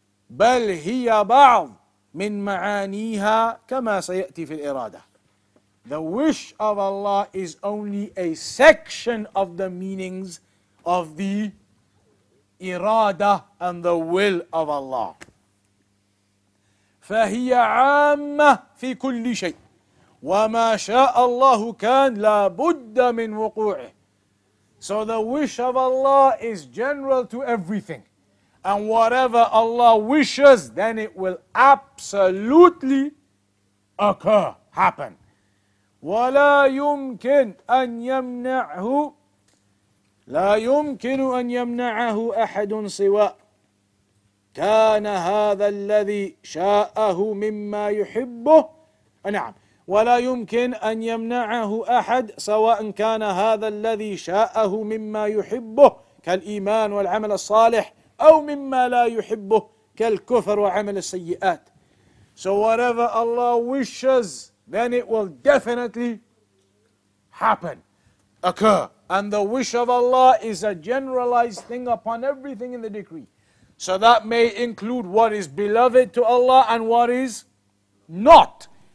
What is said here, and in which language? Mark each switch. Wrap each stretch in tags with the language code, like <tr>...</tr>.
<ar>بل هي بعض من معانيها كما سيأتي في الإرادة.</ar> <en>The wish of Allah is only a section of the meanings of the irada and the will of Allah.</en> <ar>فهي عامة في كل شيء وما شاء الله كان لابد من وقوعه.</ar> <en>So the wish of Allah is general to everything, and whatever Allah wishes, then it will absolutely occur, happen.</en> <ar>ولا يمكن أن يمنعه لا يمكن أن يمنعه أحد سوى كان هذا الذي شاءه مما يحبه. نعم. ولا يمكن أن يمنعه أحد سواء كان هذا الذي شاءه مما يحبه كالإيمان والعمل الصالح أو مما لا يحبه كالكفر وعمل السيئات.</ar> <en>So whatever Allah wishes, then it will definitely happen, occur. And the wish of Allah is a generalized thing upon everything in the decree. So that may include what is beloved to Allah and what is not.</en>